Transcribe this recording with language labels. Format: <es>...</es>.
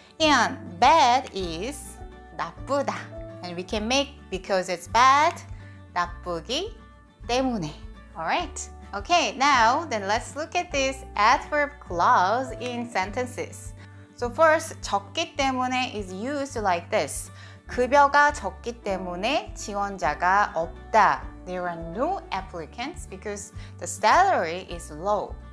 <en>And bad is 나쁘다. And we can make because it's bad</en> <ko>나쁘기 때문에.</ko> <en>All right. Okay, now then let's look at this adverb clause in sentences. So first,</en> <ko>적기 때문에</ko> <en>is used like this.</en> <ko>급여가 적기 때문에 지원자가 없다.</ko> <en>There are no applicants because the salary is low.</en>